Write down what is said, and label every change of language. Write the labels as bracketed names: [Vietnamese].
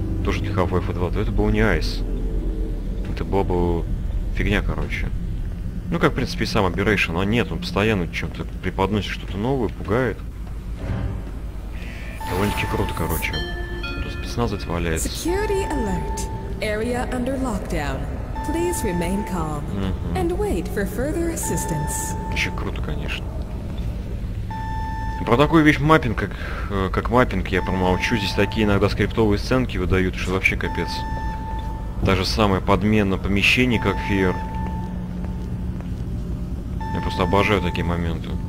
[Russian] Тоже не Half-Life 2, то это был не Ice. Это была бы фигня, короче. Ну, как, в принципе, и сам Aberration, а нет, он постоянно чем-то преподносит что-то новое, пугает. Довольно-таки круто, короче. Тут спецназовец валяется. [English] Security alert. Area under lockdown. Please remain calm. And wait for further assistance. [Russian] Еще круто, конечно. Про такую вещь маппинг, как маппинг, я промолчу. Здесь такие иногда скриптовые сценки выдают, что вообще капец. Та же самая подмена помещений, как Fear. Я просто обожаю такие моменты.